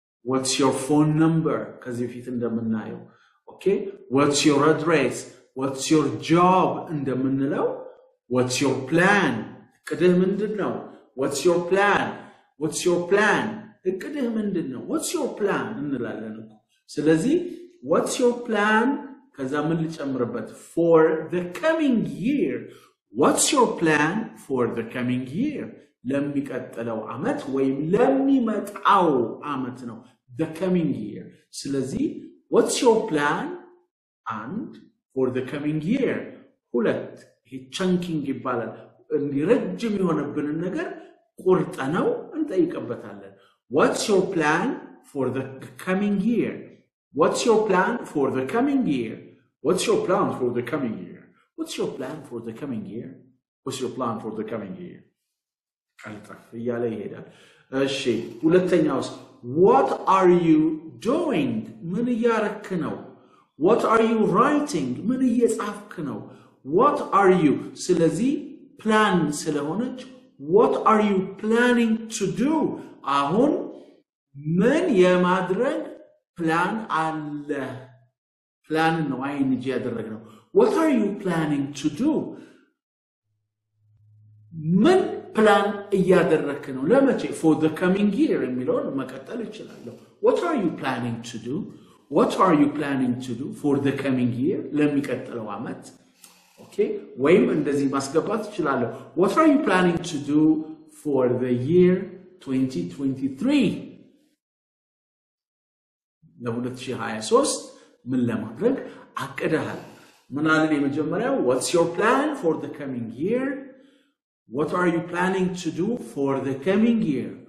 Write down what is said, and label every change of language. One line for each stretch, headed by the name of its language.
English: what's your phone number
Amharic: ከዚህ ፊት እንደምናየው
English: okay what's your address what's your job
Amharic: እንደምንለው
English: what's your plan
Amharic: እቅድህ ምንድነው
English: what's your plan What's your plan?
Amharic: እቅድህ ምንድነው?
English: What's your plan?
Amharic: እንላለን እኮ. ስለዚህ
English: what's your plan?
Amharic: ከዛ ምን ልጨምርበት?
English: For the coming year. What's your plan for the coming year?
Amharic: ለሚቀጥለው አመት ወይም ለሚመጣው አመት ነው.
English: The coming year.
Amharic: ስለዚህ
English: what's your plan and for the coming year?
Amharic: ሁለት ይሄ chunking ይባላል. እንዲረጅም የሆነብን ነገር ቆርጠነው እንጠይቀበታለን
English: what's your plan for the coming year what's your plan for the coming year what's your plan for the coming year what's your plan for the coming year what's your plan for the coming year
Amharic: አልጣፍ ያለ ይሄዳል እሺ ሁለተኛውስ
English: what are you doing
Amharic: ምን ያረክ ነው
English: what are you writing
Amharic: ምን እየጻፍክ ነው
English: what are you
Amharic: ስለዚህ
English: plan
Amharic: ስለሆነች
English: What are you planning to do?
Amharic: አሁን ምን የማድረግ ፕላን አለ? ፕላን ነው አይን እጅ ያደረግነው።
English: What are you planning to do?
Amharic: ምን ፕላን እያደረግክ ነው? ለመቼ?
English: For the coming year
Amharic: የሚለውን መቀጠል ይችላል።
English: What are you planning to do? What are you planning to do for the coming year?
Amharic: ለሚቀጥለው አመት Okay, ወይም እንደዚህ ማስገባት ይችላል.
English: What are you planning to do for the year 2023?
Amharic: ለ2023 ምን ለማድረግ አቀደሃል? ምን አለ የመጀመሪያው?
English: What's your plan for the coming year? What are you planning to do for the coming year?